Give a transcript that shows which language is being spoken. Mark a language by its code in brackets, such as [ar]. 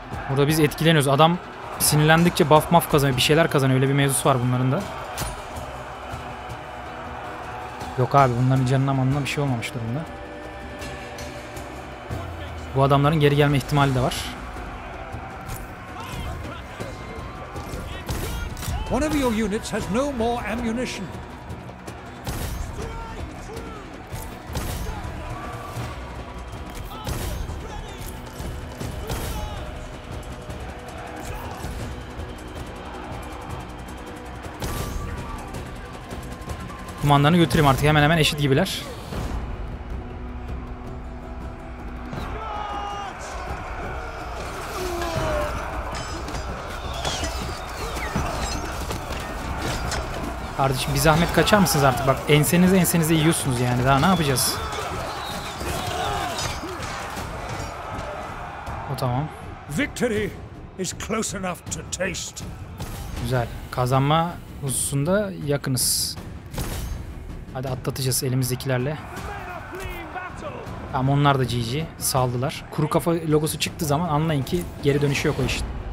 [tr] Burada biz etkileniyoruz. Adam sinirlendikçe buff maf kazanıyor. Bir şeyler kazanıyor. Öyle bir mevzusu var bunların da. Yok abi, bunların canına manına bir şey olmamış durumda. Bu adamların geri gelme ihtimali de var. [en] One of your units has no more ammunition. [tr] Kumandanı götüreyim artık. Hemen hemen eşit gibiler. Kardeşim bir zahmet kaçar mısınız artık? Bak, ensenizi yiyorsunuz yani. Daha ne yapacağız? O tamam. [en] Victory is close enough to taste. [tr] Güzel. Kazanma hususunda yakınız. Hadi atlatacağız elimizdekilerle. Tamam, onlar da GG. Saldılar. Kuru kafa logosu çıktığı zaman anlayın ki geri dönüşü yok o işin.